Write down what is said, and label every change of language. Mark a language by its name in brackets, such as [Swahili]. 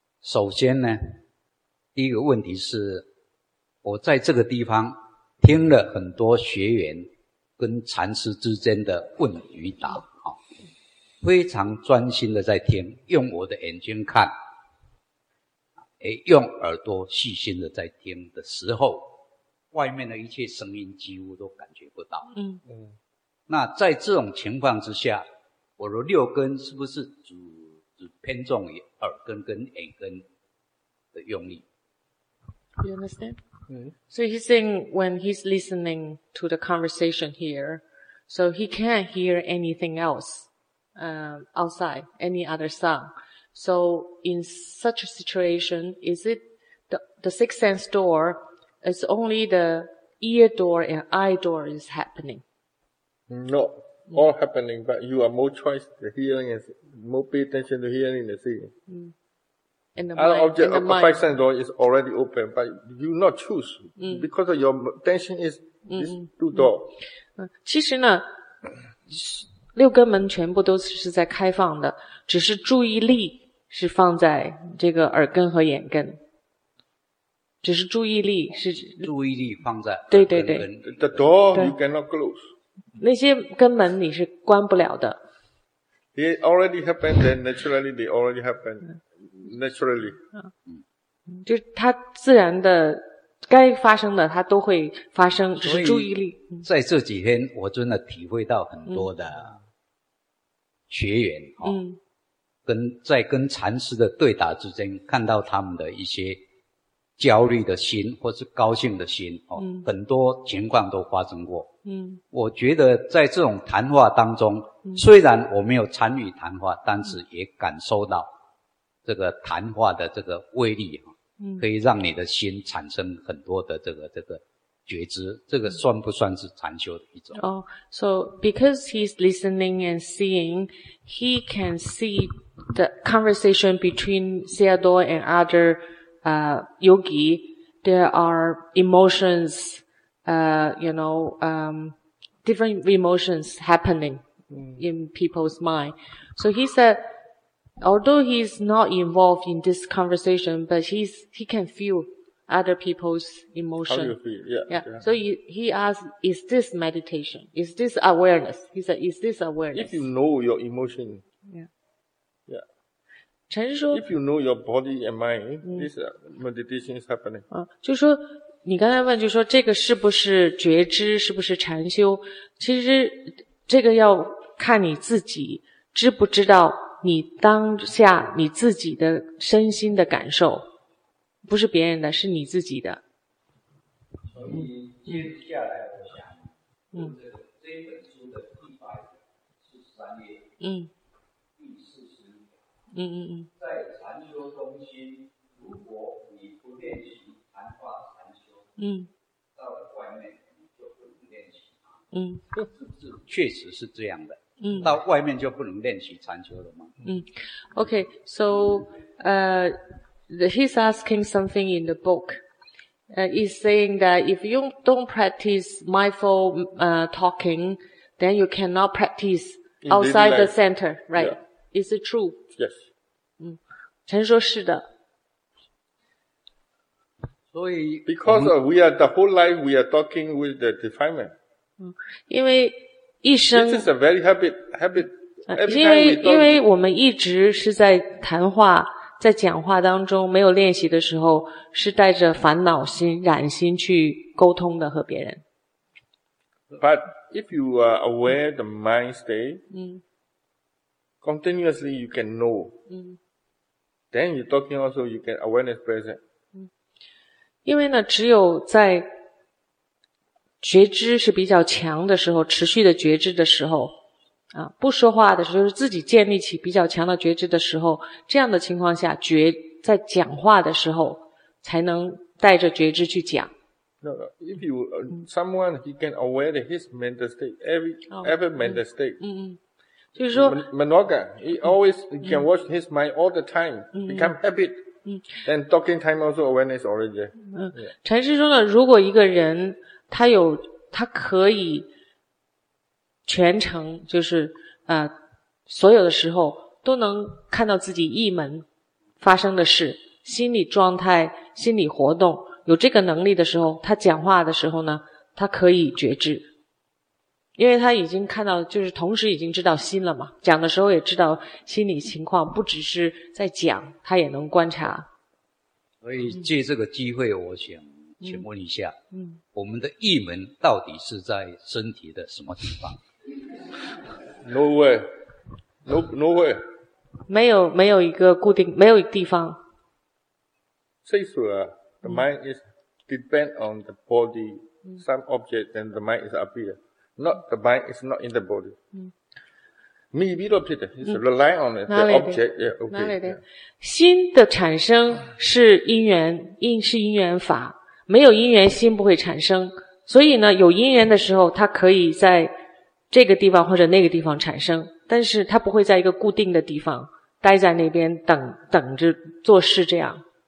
[Chinese] 首先呢，第一个问题是，我在这个地方听了很多学员跟禅师之间的问与答，非常专心的在听，用我的眼睛看，用耳朵细心的在听的时候，外面的一切声音几乎都感觉不到。嗯嗯。那在这种情况之下，我的六根是不是只偏重于耳根跟眼根的用力 [English] ？You understand? 嗯。 So he's saying when he's listening to the conversation here, so he can't hear anything else, outside any other sound. So in such a situation, is it the sixth sense door, it's only the ear door and eye door is happening? No, all happening, but you are more choice, the hearing is more pay attention to hearing than seeing. And the mind, object, and the mind. The five sense door is already open, but you not choose, because of your attention is this two door. [Chinese] 其实呢，六根门全部都是在开放的，只是注意力是放在这个耳根和眼根，只是注意力是注意力放在耳根对对对 [English] ，the door you cannot close， [Chinese] 那些根门你是关不了的。 [English] It already happened, then naturally they already happen naturally。 [Chinese] 就它自然的该发生的它都会发生，只是注意力。在这几天我真的体会到很多的学员哈。在跟禅师的对答之间，看到他们的一些焦虑的心或是高兴的心，很多情况都发生过。我觉得在这种谈话当中，虽然我没有参与谈话，但是也感受到这个谈话的这个威力哈，可以让你的心产生很多的这个觉知，这个算不算是禅修的一种？ [English] 哦、so because he's listening and seeing, he can see the conversation between Sayadaw and other yogi. There are emotions, different emotions happening in people's mind. So he said, although he's not involved in this conversation, but he can feel other people's emotion. How do you feel? Yeah. So he asked, is this meditation? Is this awareness? He said, is this awareness? If you know your emotion. If you know your body and mind, this meditation is happening. [Chinese] 就说你刚才问，就说这个是不是觉知，是不是禅修？其实这个要看你自己知不知道你当下你自己的身心的感受，不是别人的，是你自己的。所以接下来我想，这本书的第843页，第40页，在禅修中心，如果你不练习谈话禅修，到了外面你就不能练习它，是不是？确实是这样的。到外面就不能练习禅修了吗？ [English] Okay, so, he's asking something in the book. He's saying that if you don't practice mindful, talking, then you cannot practice outside the center, right? Yeah. Is it true? Yes. [Chinese] 陈说是的。所以。 [English] Because we are, the whole life we are talking with the defilement. [Chinese] 因为一生。 [English] This is a very habit. [Chinese] 因为我们一直是在谈话，在讲话当中没有练习的时候，是带着烦恼心染心去沟通的和别人。 [English] But if you are aware the mind state, continuously you can know. Then you're talking also you can awareness present. [Chinese] 因为呢，只有在觉知是比较强的时候，持续的觉知的时候，不说话的时候，就是自己建立起比较强的觉知的时候，这样的情况下，在讲话的时候，才能带着觉知去讲。 [English] No, if you, someone, he can aware that his mental state, every mental state. [Chinese] 就是说 [English] ,Manoga, he always can watch his mind all the time, become habit. And talking time also awareness already. [Chinese] 禅师说呢，如果一个人他可以全程就是所有的时候都能看到自己一门发生的事，心理状态、心理活动，有这个能力的时候，他讲话的时候呢，他可以觉知，因为他已经看到，就是同时已经知道心了嘛，讲的时候也知道心理情况，不只是在讲，他也能观察。所以借这个机会我想请问一下，我们的意门到底是在身体的什么地方？ [English] Nowhere. [Chinese] 没有一个固定，没有一个地方。 [English] The mind is depend on the body, some object, then the mind is appear. Not the mind is not in the body. Me, we don't put it. It's rely on it, the object. Yeah, okay. [Chinese] 哪里的？心的产生是因缘，因是因缘法。没有因缘心不会产生，所以呢，有因缘的时候它可以在这个地方或者那个地方产生，但是它不会在一个固定的地方待在那边等着做事这样。